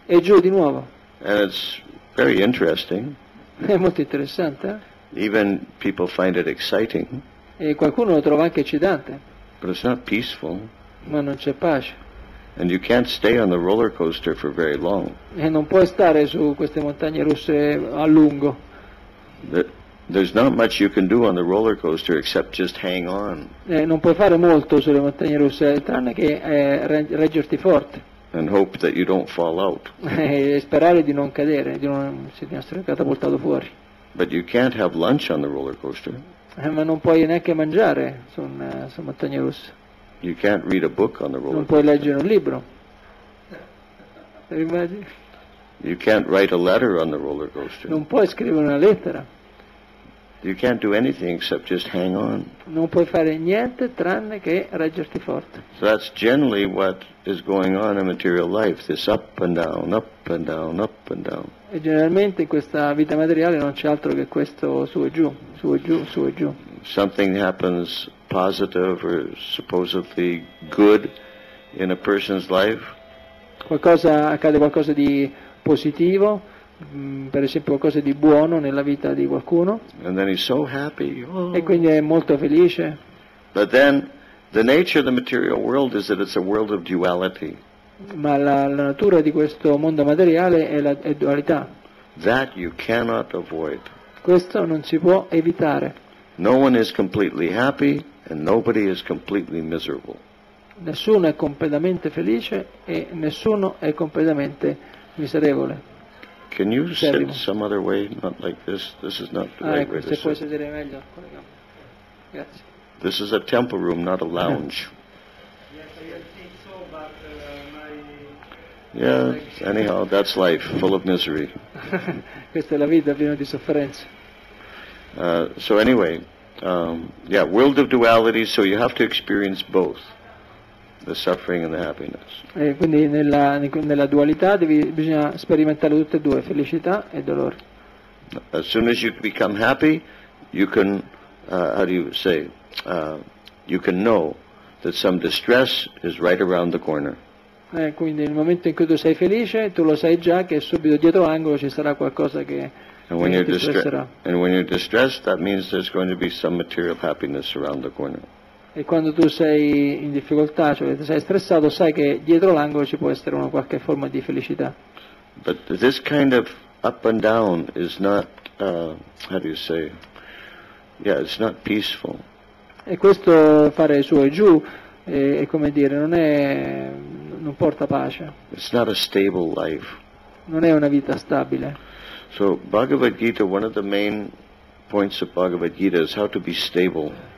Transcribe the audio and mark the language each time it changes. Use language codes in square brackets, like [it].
[it] E giù di nuovo. [en] And it's very interesting. [it] È molto interessante. [en] Even people find it exciting. [it] E qualcuno lo trova anche eccitante. [en] But it's not peaceful. [it] Ma non c'è pace. [en] And you can't stay on the roller coaster for very long. [it] E non puoi stare su queste montagne russe a lungo. [en] There's not much you can do on the roller coaster except just hang on. [it] E non puoi fare molto sulle montagne russe tranne che reggerti forte. [en] And hope that you don't fall out. [it] E sperare di non cadere, di non essere catapultato fuori. [en] But you can't have lunch on the roller coaster. [it] Ma non puoi neanche mangiare su una montagna russa. [en] You can't read a book on the roller [it] coaster. Non puoi leggere un libro. Immagini? [en] You can't write a letter on the roller coaster. [it] Non puoi scrivere una lettera. [en] You can't do anything except just hang on. [it] Non puoi fare niente tranne che reggerti forte. [en] So that's generally what is going on in material life, this up and down, up and down, up and down. [it] E generalmente in questa vita materiale non c'è altro che questo su e giù, su e giù, su e giù. [en] Something happens positive or supposedly good in a person's life. [it] Qualcosa accade, qualcosa di positivo. Per esempio qualcosa di buono nella vita di qualcuno. [en] And then he's so happy. Oh. [it] E quindi è molto felice. [en] But then the nature of the material world is that it's a world of duality. [it] Ma la natura di questo mondo materiale è dualità. [en] That you cannot avoid. [it] Questo non si può evitare. [en] No one is completely happy and nobody is completely miserable. [it] Nessuno è completamente felice e nessuno è completamente miserevole. [en] Can you sit some other way, not like this? This is not the right way to sit. [it] Ecco, se puoi sedere meglio. Grazie. [en] This is a temple room, not a lounge. Yes, I think so, but my... Yeah, anyhow, that's life, full of misery. [it] Questa è la vita, piena di sofferenza. [en] So anyway, world of duality, so you have to experience both. The suffering and the happiness. [it] E quindi nella dualità bisogna sperimentare tutte e due, felicità e dolore. [en] As soon as you become happy, you can, you can know that some distress is right around the corner. [it] E quindi nel momento in cui tu sei felice, tu lo sai già che subito dietro l'angolo ci sarà qualcosa che [en] and when you're distressed, that means there's going to be some material happiness around the corner. [it] E quando tu sei in difficoltà, cioè sei stressato, sai che dietro l'angolo ci può essere una qualche forma di felicità. [en] But this kind of up and down is not, it's not peaceful. [it] E questo fare su e giù, è come dire, non è, non porta pace. [en] It's not a stable life. [it] Non è una vita stabile. [en] So Bhagavad Gita, one of the main points of Bhagavad Gita is how to be stable.